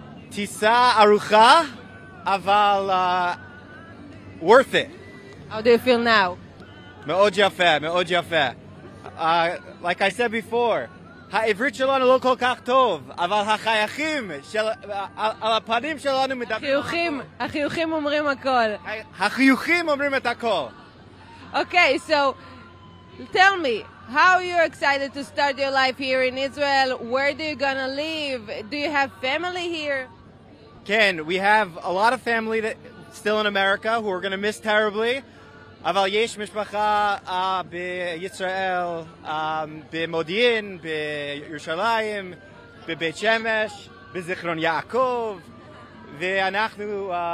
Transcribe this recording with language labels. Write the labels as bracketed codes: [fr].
[he] טיסה ארוכה, אבל [en] worth it. How do you feel now? [he] מאוד יפה, מאוד יפה. [en] Like I said before, [he] העברית שלנו לא כל כך טוב, אבל החיוכים של, על הפנים שלנו מדברים החיוכים, החיוכים אומרים הכל. החיוכים אומרים את הכל. [en] Okay, so tell me, how are you excited to start your life here in Israel? Where do you gonna live? Do you have family here? כן, we have a lot of family that still in America who are gonna miss terribly. [he] אבל יש משפחה בישראל, במודיעין, בירושלים, בבית שמש, בזיכרון יעקב, ואנחנו...